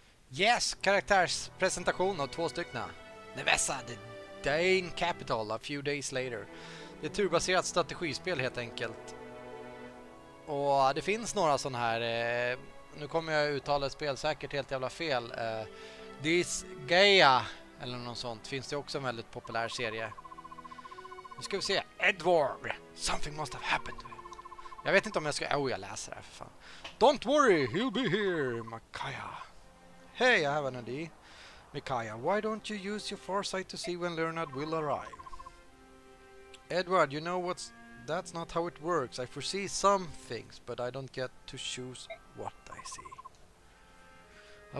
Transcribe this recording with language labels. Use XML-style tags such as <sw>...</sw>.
<sv>Yes, karaktärspresentation av två styckna.</sv> <en>Nevessa, the Dane Capital, a few days later.</en> <sv>Det är turbaserat strategispel helt enkelt. Och det finns några sån här... nu kommer jag uttala ett spel säkert helt jävla fel. This Gaia, eller något sånt, finns det också en väldigt populär serie. Nu ska vi se. Edward,</sv> <en>something must have happened to him.</en> <sv>Jag vet inte om jag ska... Oh, jag läser det här för fan.</sv> <en>Don't worry, he'll be here, Makaya. Hey, I have an idea. Mikaya, why don't you use your foresight to see when Leonard will arrive? Edward, you know what's... That's not how it works. I foresee some things, but I don't get to choose what I see.</en>